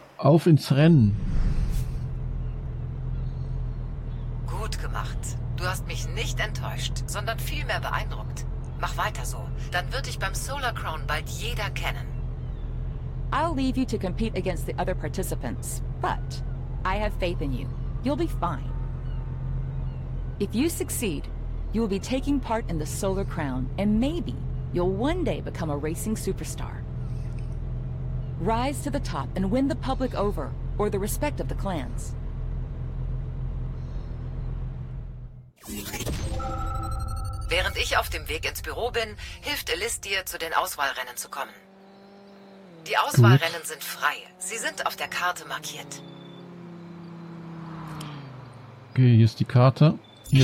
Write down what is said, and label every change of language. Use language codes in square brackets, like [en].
[de] Auf ins Rennen. Gut gemacht. Du hast mich nicht enttäuscht, sondern vielmehr beeindruckt. Mach weiter so, dann wird dich beim Solar Crown bald jeder kennen. [en] I'll leave you to compete against the other participants, but I have faith in you. You'll be fine. If you succeed, you will be taking part in the Solar Crown and maybe you'll one day become a racing superstar. Rise to the top and win the public over, or the respect of the clans. [de] Während ich auf dem Weg ins Büro bin, hilft Elis dir, zu den Auswahlrennen zu kommen. Die Auswahlrennen sind frei. Sie sind auf der Karte markiert. Okay, hier ist die Karte. Hier